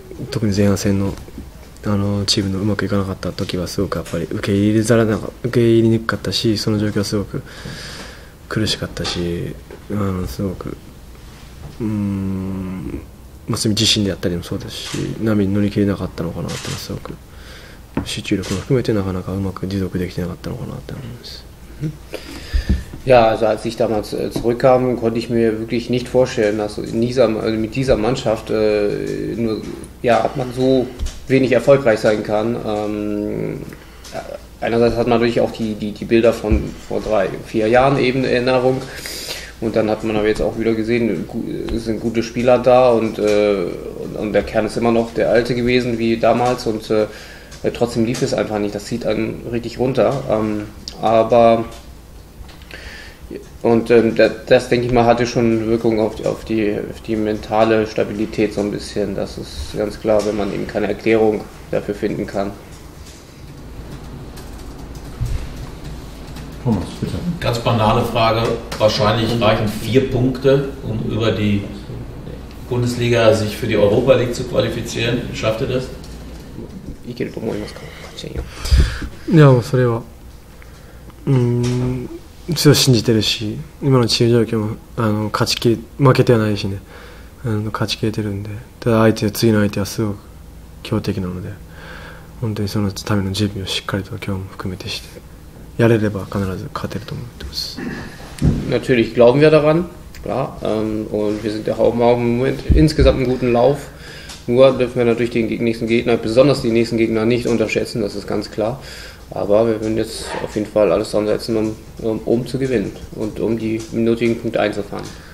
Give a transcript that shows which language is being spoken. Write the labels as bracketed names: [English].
[Japanese] 特に前半戦 のチームのうまくいかなかった時はすごくやっぱり受け入れにくかったし、その状況はすごく苦しかったし、すごく自身であったりもそうですし、波に乗り切れなかったのかなってすごく集中力も含めてなかなかうまく持続できてなかったのかなって思います。 [German] Ja, also als ich damals zurückkam, konnte ich mir wirklich nicht vorstellen, dass mit dieser Mannschaft man so wenig erfolgreich sein kann. Einerseits hat man natürlich auch die Bilder von vor 3-4 Jahren eben in Erinnerung. Und dann hat man aber jetzt auch wieder gesehen, es sind gute Spieler da und der Kern ist immer noch der alte gewesen wie damals. Und trotzdem lief es einfach nicht, das zieht einen richtig runter. Aber Und das, denke ich mal, hatte schon eine Wirkung auf die mentale Stabilität so ein bisschen. Das ist ganz klar, wenn man eben keine Erklärung dafür finden kann. Thomas, bitte. Ganz banale Frage. Wahrscheinlich reichen 4 Punkte, um über die Bundesliga sich für die Europa League zu qualifizieren. Schafft ihr das? Ich gehe um irgendwas kaum. [Japanese] Ja, それは強く信じてるし、今のチーム状況も勝ち切り負けてはないしね、勝ち切れてるんで、ただ相手次の相手はすごく強敵なので、本当にそのための準備をしっかりと今日も含めてして、やれれば必ず勝てると思ってます。 [German] Natürlich glauben wir daran, klar, und wir sind ja auch mal im Moment insgesamt einen guten Lauf. Nur dürfen wir natürlich den nächsten Gegner, besonders die nächsten Gegner, nicht unterschätzen, das ist ganz klar. Aber wir würden jetzt auf jeden Fall alles dran setzen, um zu gewinnen und um die nötigen Punkte einzufahren.